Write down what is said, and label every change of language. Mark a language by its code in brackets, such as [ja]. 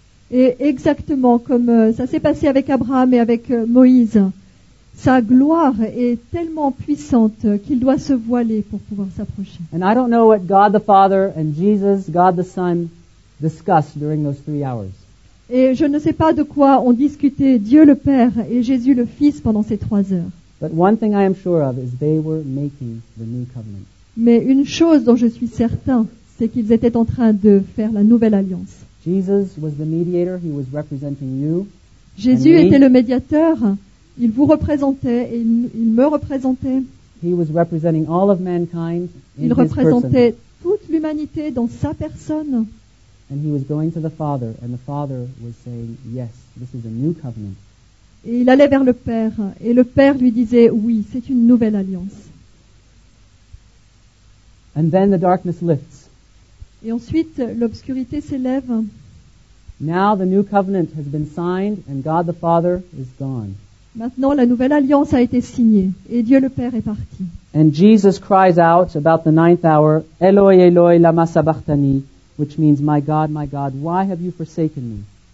[fr] Et exactement comme ça s'est passé avec Abraham et avec Moïse. Sa gloire est tellement puissante qu'il doit se voiler pour pouvoir s'approcher. [en] And I don't know what God the Father and Jesus, God the Son, discussed during those 3 hours. [fr] Et je ne sais pas de quoi ont discuté Dieu le Père et Jésus le Fils pendant ces 3 heures. [en] But one thing I am sure of is they were making the new covenant. [fr] Mais une chose dont je suis certain, c'est qu'ils étaient en train de faire la nouvelle alliance. [en] Jesus was the mediator, he was representing you. [fr] Jésus était le médiateur, il vous représentait et il me représentait. [en] He was representing all of mankind in his person. [fr] Il représentait toute l'humanité dans sa personne. [en] And he was going to the Father and the Father was saying, "Yes, this is a new covenant." [fr] Et il allait vers le Père, et le Père lui disait, oui, c'est une nouvelle alliance. [en] And then the darkness lifts. [fr] Et ensuite, l'obscurité s'élève. [en] Now the new covenant has been signed, and God the Father is gone. [fr] Maintenant, la nouvelle alliance a été signée, et Dieu le Père est parti. [en] And Jesus cries out about the ninth hour, [arc] Eloi, Eloi, lama sabachthani, [en] which means, my God, why have you forsaken me?